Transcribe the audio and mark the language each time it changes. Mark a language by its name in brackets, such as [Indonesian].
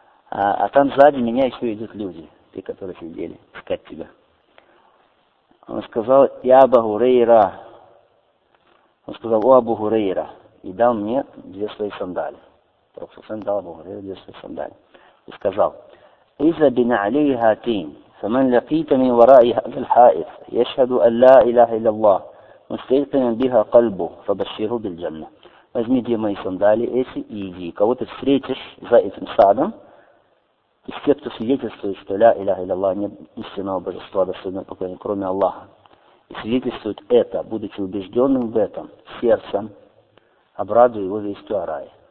[Russian] А там сзади меня еще идут люди, те, которые сидели искать тебя. Он сказал: я Абу Хурейра. Он сказал: о, Абу Хурейра. И дал мне две свои сандали. Пророк саллаллаху алейхи ва саллям дал Абу Хурейре две свои сандали. И сказал: [Arabic] иза бина алейхи хатин. فمن لقيت من وراء هذا الحائط يشهد أن لا إله إلا الله مستيقنا بها قلبه فبشره بالجنة. [Russian] Возьми две мои сандали эти и иди. Кого ты встретишь за этим садом, из тех, кто свидетельствует, что ла илях илляллах, нет истинного божества, достойного поклонения, кроме Аллаха, и свидетельствует это, будучи убежденным в этом сердцем, обрадуй его вестью о рае.